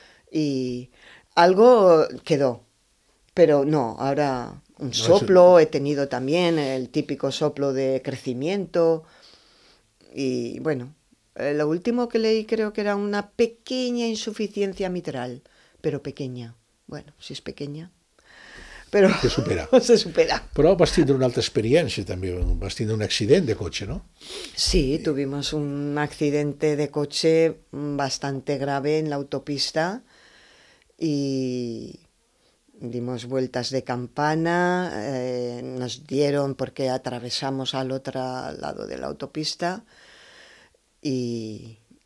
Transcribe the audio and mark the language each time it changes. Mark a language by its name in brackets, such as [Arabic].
[Spanish] Y algo quedó, pero no, ahora un soplo, he tenido también el típico soplo de crecimiento y bueno, lo último que leí creo que era una pequeña insuficiencia mitral. Pero pequeña, bueno, si es pequeña. [Catalan] però [Spanish] se supera. Se supera. [Catalan] Però vas tindre una altra experiència també, vas tindre un accident de cotxe, no? [Spanish] Sí, tuvimos un accidente de [Catalan] cotxe [Spanish] bastante grave [Catalan] en l'autopista [Spanish] y dimos vueltas de campana, nos dieron porque atravesamos al otro lado [Catalan] de l'autopista [Spanish] y